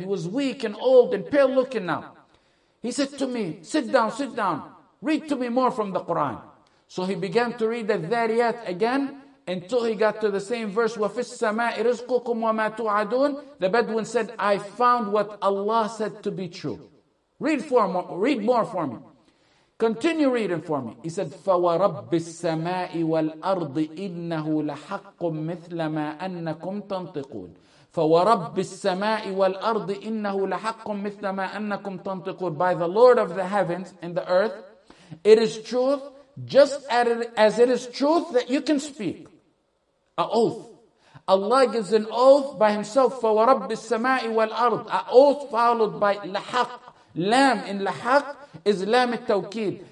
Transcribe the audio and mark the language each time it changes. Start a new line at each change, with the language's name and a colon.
English: He was weak and old and pale looking now. He said to me, sit down. Read to me more from the Quran. So he began to read the Dhariyat again until he got to the same verse.
Arabic: وَفِي السَّمَاءِ رِزْقُكُمْ وَمَا تُعَدُونَ.
English: The Bedouin said, I found what Allah said to be true. Read more for me. Continue reading for me. He said,
Arabic: فَوَرَبِّ السَّمَاءِ وَالْأَرْضِ إِنَّهُ لَحَقٌّ مِثْلَ مَا أَنَّكُمْ تَنْطِقُونَ. فَوَرَبِّ السَّمَاءِ وَالْأَرْضِ إِنَّهُ لَحَقٌّ مِثْلَ مَا أَنَّكُمْ تَنْطِقُونَ.
English: By the Lord of the heavens and the earth, it is truth, just as it is truth that you can speak. An oath. Allah gives an oath by Himself.
Arabic: فَوَرَبِّ السَّمَاءِ وَالْأَرْضِ.
English: An oath followed by لَحَقْ. Lam in لَحَقْ is lam التوكيد.